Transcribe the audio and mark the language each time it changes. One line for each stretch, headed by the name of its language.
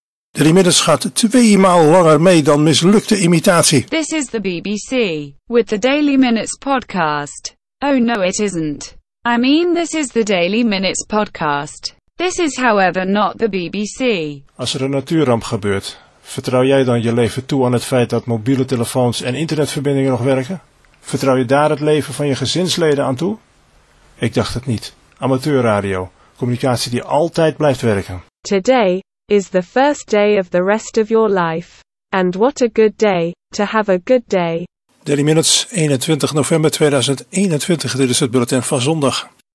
Dutch: Dat inmiddels gaat 2 maal langer mee dan mislukte imitatie.
English: This is the BBC, with the Daily Minutes podcast. Oh no, it isn't. I mean, this is the Daily Minutes podcast. This is however not the BBC.
Dutch: Als er een natuurramp gebeurt, vertrouw jij dan je leven toe aan het feit dat mobiele telefoons en internetverbindingen nog werken? Vertrouw je daar het leven van je gezinsleden aan toe? Ik dacht het niet. Amateurradio, communicatie die altijd blijft werken.
English: Today is the first day of the rest of your life. And what a good day, to have a good day.
Dutch: Daily Minutes, 21 november 2021, dit is het bulletin van zondag.